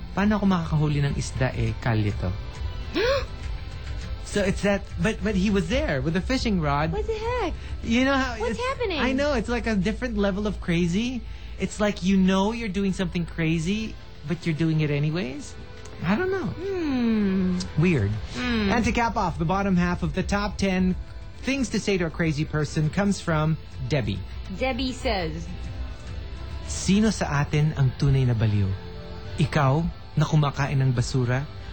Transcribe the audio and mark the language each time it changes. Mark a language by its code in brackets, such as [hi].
[tl] Paano ako makakahuli ng isda eh kalito? [en] So it's that, but he was there with a fishing rod. What the heck? You know how... What's happening? I know, it's like a different level of crazy. It's like you know you're doing something crazy, but you're doing it anyways. I don't know. Weird. And to cap off, the bottom half of the top 10 things to say to a crazy person comes from Debbie. Debbie says, [tl] sino sa atin ang tunay na baliw? Ikaw na kumakain ng basura?